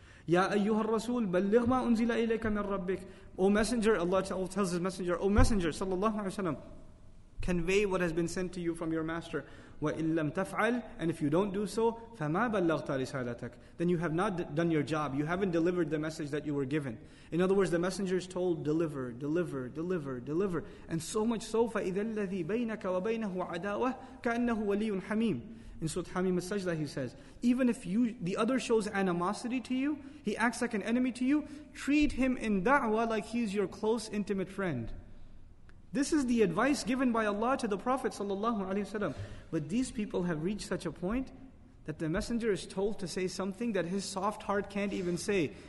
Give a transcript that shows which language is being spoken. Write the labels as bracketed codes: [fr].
[ar] يَا أَيُّهَا الرَّسُولُ بَلِّغْ مَا أُنزِلَ إِلَيْكَ مِنْ رَبِّكَ. [en] O messenger, Allah tells his messenger, O messenger, sallallahu alayhi wa sallam, convey what has been sent to you from your master. [ar] وَإِن لَمْ تَفْعَلْ. [en] And if you don't do so, [ar] فَمَا بَلَّغْتَ رِسَالَتَكَ. [en] Then you have not done your job. You haven't delivered the message that you were given. In other words, the messenger is told, deliver, deliver, deliver, deliver. And so much so, [ar] فَإِذَا الَّذِي بَيْنَكَ وَبَيْنَهُ عَدَاوَةٌ كَأَنَّهُ وَلِيٌّ حَمِيمٌ. [en] In Surah Hamim al-Sajda, he says, even if you, the other shows animosity to you, he acts like an enemy to you, treat him in da'wah like he's your close, intimate friend. This is the advice given by Allah to the Prophet sallallahu alaihi wasallam. But these people have reached such a point that the messenger is told to say something that his soft heart can't even say.